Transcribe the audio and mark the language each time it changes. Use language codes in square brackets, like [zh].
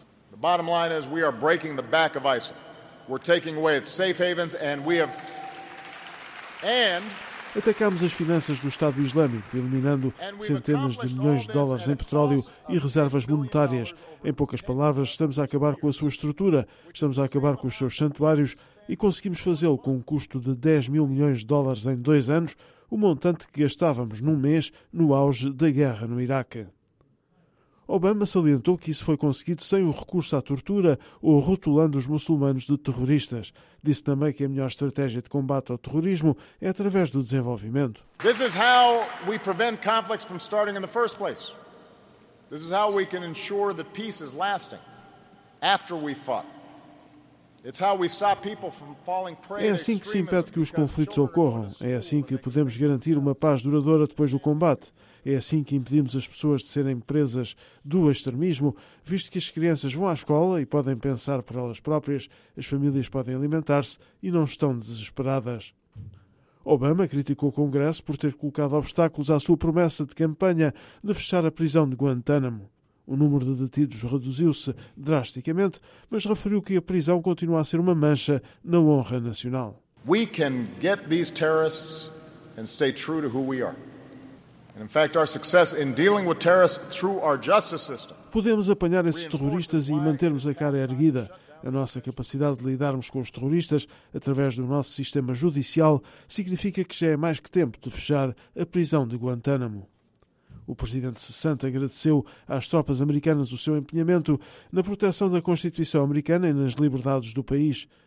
[en] The bottom line is we are breaking the back of ISIL. We're taking away its safe havens and we have... And... [pt] Atacámos as finanças do Estado Islâmico, eliminando centenas de milhões de dólares em petróleo e reservas monetárias. Em poucas palavras, estamos a acabar com a sua estrutura, estamos a acabar com os seus santuários e conseguimos fazê-lo com um custo de 10 mil milhões de dólares em 2 anos, o montante que gastávamos num mês no auge da guerra no Iraque. Obama salientou que isso foi conseguido sem o recurso à tortura ou rotulando os muçulmanos de terroristas. Disse também que a melhor estratégia de combate ao terrorismo é através do desenvolvimento. [en] This is how we prevent conflicts from starting in the first place. This is how we can ensure that peace is lasting after we fought. [pt] É assim que se impede que os conflitos ocorram. É assim que podemos garantir uma paz duradoura depois do combate. É assim que impedimos as pessoas de serem presas do extremismo, visto que as crianças vão à escola e podem pensar por elas próprias, as famílias podem alimentar-se e não estão desesperadas. Obama criticou o Congresso por ter colocado obstáculos à sua promessa de campanha de fechar a prisão de Guantánamo. O número de detidos reduziu-se drasticamente, mas referiu que a prisão continua a ser uma mancha na honra nacional. [en] We can get these terrorists and stay true to who we are. And in fact, our success in dealing with terrorists through our justice system. [pt] Podemos apanhar esses terroristas e mantermos a cara erguida. A nossa capacidade de lidarmos com os terroristas através do nosso sistema judicial significa que já é mais que tempo de fechar a prisão de Guantánamo. O presidente cessante agradeceu às tropas americanas o seu empenhamento na proteção da Constituição americana e nas liberdades do país.